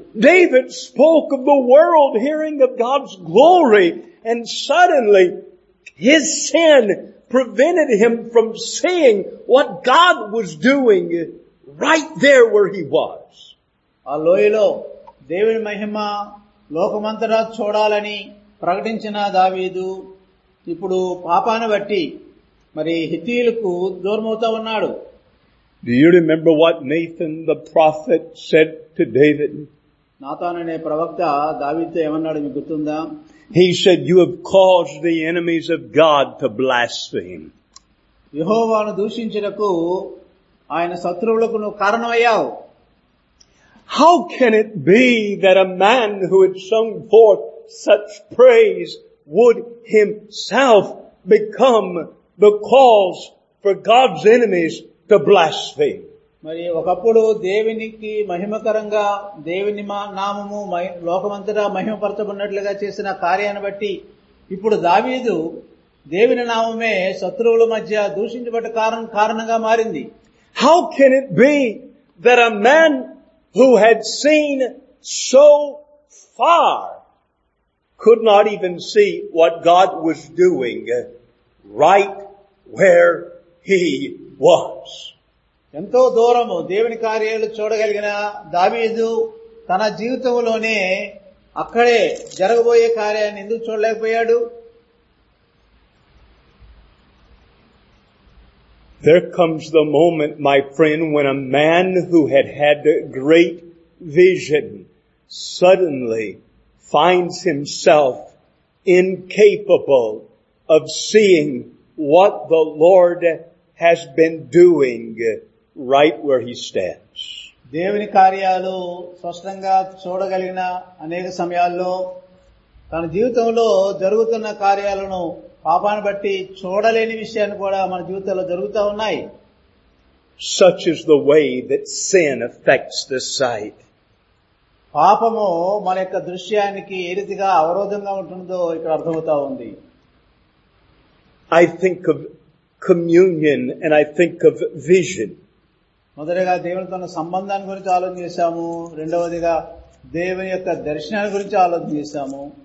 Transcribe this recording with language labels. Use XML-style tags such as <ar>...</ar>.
<en>David spoke of the world hearing of God's glory, and suddenly his sin prevented him from seeing what God was doing right there where he was.</en> <te>Alloyalo, Devuni Mahima, Lokamantara Chodalani. ప్రకటించిన దావీదు ఇప్పుడు పాపాన్ని బట్టి మరి హిత్తీయులకు దూరమవుతా ఉన్నాడు.</te> <en>Do you remember what Nathan the prophet said to David?</en> <te>Nathan అనే ప్రవక్త దావీదుతో ఏమన్నాడు మీకు గుర్తుందా?</te> <en>He said, "You have caused the enemies of God to blaspheme."</en> <te>యెహోవాను దూషించుటకు ఆయన శత్రువులకు నువ్వు కారణమయ్యావు.</te> <en>How can it be that a man who had sung forth such praise would himself become the cause for God's enemies to blaspheme?</en> <te>మరి ఒకప్పుడు దేవునికి మహిమకరంగా దేవుని నామము లోకమంతటా మహిమపరచబడినట్లుగా చేసిన కార్యాన్ని బట్టి ఇప్పుడు దావీదు దేవుని నామమే శత్రువుల మధ్య దూషించబడ్డ కారణంగా మారింది.</te> <en>How can it be that a man who had seen so far could not even see what God was doing right where he was?</en> <te>ఎంతో దూరము దేవుని కార్యాలు చూడగలిగిన దావీదు తన జీవితంలోనే అక్కడే జరగబోయే కార్యాన్ని ఎందుకు చూడలేకపోయాడు?</te> <en>There comes the moment, my friend, when a man who had great vision suddenly finds himself incapable of seeing what the Lord has been doing right where he stands.</en> <te>దేవుని కార్యాలు స్పష్టంగా చూడగలిగిన అనేక సమయాల్లో తన జీవితంలో జరుగుతున్న కార్యాలను పాపాన్ని బట్టి చూడలేని విషయాన్ని కూడా మన జీవితంలో జరుగుతూ ఉన్నాయి.</te> <en>Such is the way that sin affects the sight.</en> <te>పాపము మన యొక్క దృశ్యానికి ఏ రీతిగా అవరోధంగా ఉంటుందో ఇక్కడ అర్థమవుతా ఉంది.</te> <en>I think of communion and I think of vision.</en> <te>మొదటగా దేవునితో సంబంధాన్ని గురించి ఆలోచన చేశాము, రెండవదిగా దేవుని యొక్క దర్శనాన్ని గురించి ఆలోచన చేశాము.</te>